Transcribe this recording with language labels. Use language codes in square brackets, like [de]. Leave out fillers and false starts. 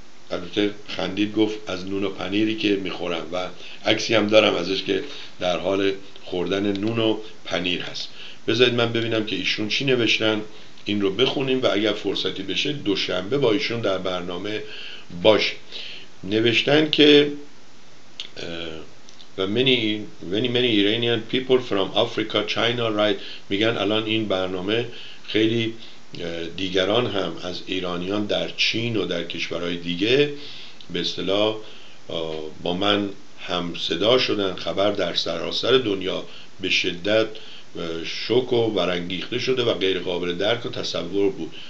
[fa] البته خندید گفت از نون و پنیری که میخورم، و عکسی هم دارم ازش که در حال خوردن نون و پنیر هست. بذارید من ببینم که ایشون چی نوشتن، این رو بخونیم و اگر فرصتی بشه دوشنبه با ایشون در برنامه باش. نوشتن که و [en] many Iranian people from Africa, China, right. [fa] میگن الان این برنامه خیلی دیگران هم از ایرانیان در چین و در کشورهای دیگه به اصطلاح با من هم صدا شدن، خبر در سراسر دنیا به شدت شوک و برانگیخته شده و غیر قابل درک و تصور بود.